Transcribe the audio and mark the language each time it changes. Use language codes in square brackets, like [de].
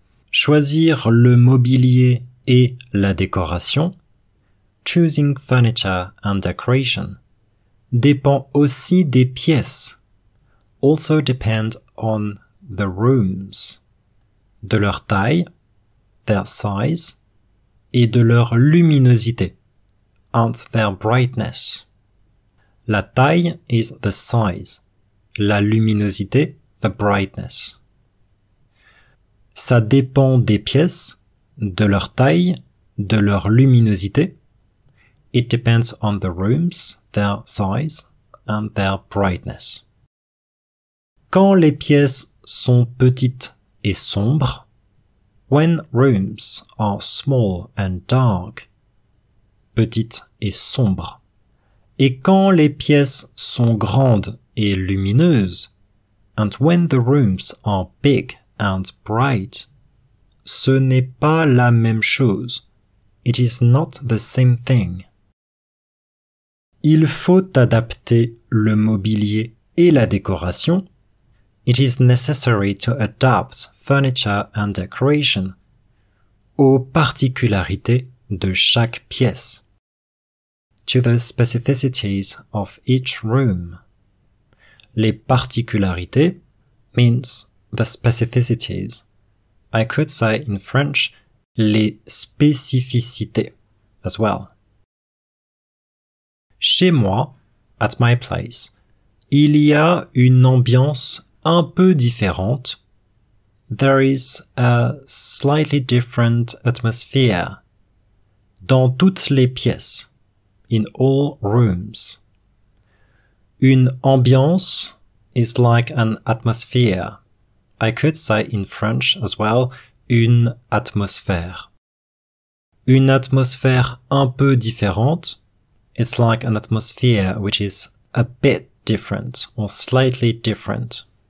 [fr] Choisir le mobilier et la décoration, [en] choosing furniture and decoration, [fr] dépend aussi des pièces, [en] also depend on the rooms, [fr] de leur taille, [en] their size, [fr] et de leur luminosité, [en] and their brightness. [fr] La taille [en] is the size, [fr] la luminosité, [en] the brightness. [fr] Ça dépend des pièces, de leur taille, de leur luminosité. [en] It depends on the rooms, their size, and their brightness. [fr] Quand les pièces sont petites et sombres, [en] when rooms are small and dark, [fr] petites et sombres, et quand les pièces sont grandes et lumineuses, [en] and when the rooms are big and bright, [fr] ce n'est pas la même chose. [en] It is not the same thing. [fr] Il faut adapter le mobilier et la décoration. [en] It is necessary to adapt furniture and decoration [fr] aux particularités de chaque pièce. [en] To the specificities of each room. [fr] Les particularités [en] means the specificities. I could say in French, [fr] les spécificités [en] as well. [fr] Chez moi, [en] at my place, [fr] il y a une ambiance un peu différente. [en] There is a slightly different atmosphere. [fr] Dans toutes les pièces, [en] in all rooms. [fr] Une ambiance [en] is like an atmosphere. I could say in French as well, [fr] une atmosphère. Une atmosphère un peu différente. [en] It's like an atmosphere which is a bit different or slightly different.